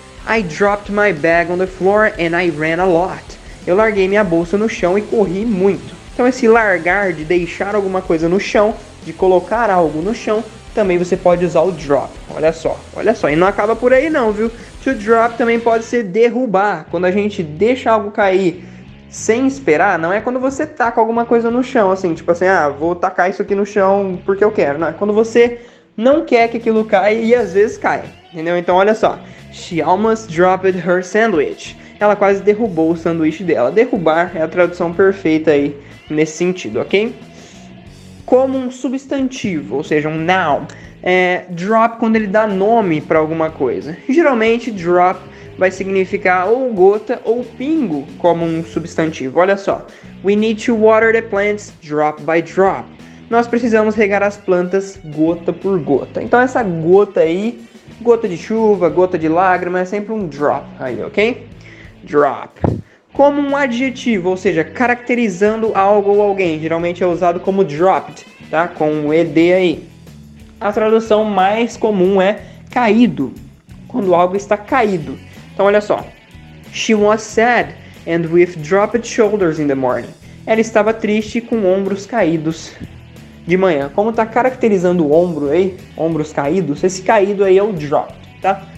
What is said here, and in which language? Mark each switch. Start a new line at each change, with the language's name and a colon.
English: I dropped my bag on the floor and I ran a lot.
Portuguese: Eu larguei minha bolsa no chão e corri muito. Então esse largar, de deixar alguma coisa no chão, de colocar algo no chão, também você pode usar o drop. Olha só. E não acaba por aí não, viu? To drop também pode ser derrubar. Quando a gente deixa algo cair sem esperar, não é quando você taca alguma coisa no chão, assim, tipo assim, ah, vou tacar isso aqui no chão porque eu quero, não é? Quando você não quer que aquilo caia e às vezes cai, entendeu? Então olha só,
English: she almost dropped her sandwich.
Portuguese: Ela quase derrubou o sanduíche dela. Derrubar é a tradução perfeita aí nesse sentido, ok? Como um substantivo, ou seja, um noun, é drop quando ele dá nome pra alguma coisa. Geralmente drop vai significar ou gota ou pingo como um substantivo. Olha só.
English: We need to water the plants drop by drop.
Portuguese: Nós precisamos regar as plantas gota por gota. Então essa gota aí Gota de chuva, gota de lágrima, é sempre um drop aí, ok? Drop. Como um adjetivo, ou seja, caracterizando algo ou alguém. Geralmente é usado como dropped, tá? Com um ED aí. A tradução mais comum é caído, quando algo está caído. Então olha só.
English: She was sad and with dropped shoulders in the morning.
Portuguese: Ela estava triste com ombros caídos de manhã. Como tá caracterizando o ombro aí, ombros caídos, esse caído aí é o dropped, tá?